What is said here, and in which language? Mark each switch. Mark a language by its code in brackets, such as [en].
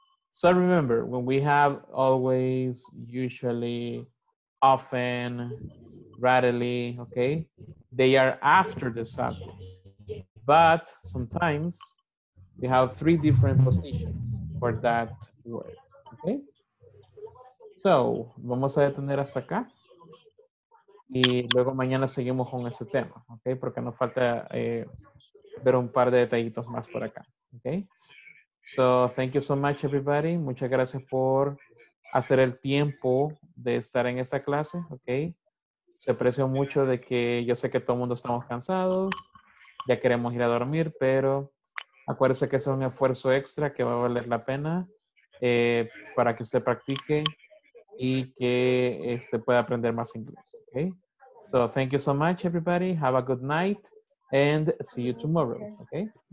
[en] So remember, when we have always, usually, often, rarely, okay? They are after the subject. But sometimes, we have three different positions for that word, okay? [es] So, vamos a detener hasta acá. Y luego mañana seguimos con ese tema, ¿ok? Porque nos falta ver un par de detallitos más por acá, ¿ok? So, [en] thank you so much, everybody. [es] Muchas gracias por hacer el tiempo de estar en esta clase, ¿ok? Se aprecia mucho de que yo sé que todo el mundo estamos cansados, ya queremos ir a dormir, pero acuérdese que es un esfuerzo extra que va a valer la pena para que usted practique y que pueda aprender más inglés, okay? [en] So thank you so much, everybody. Have a good night and see you tomorrow, okay?